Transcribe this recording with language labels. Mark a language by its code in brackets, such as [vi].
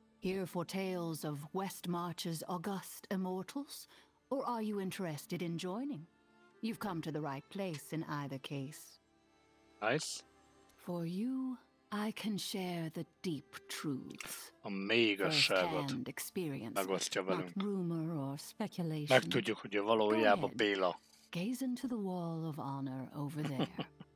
[en] Here for tales of Westmarch's august immortals? Or are you interested in joining? You've come to the right place in either case. Nice. For you, I can share the deep truths. [hu] A mélyigazságot. [en] First-hand experience, not rumor or speculation. [hu] Megtudjuk, hogy ő valójában Béla. [en] Gaze into the Wall of Honor over there.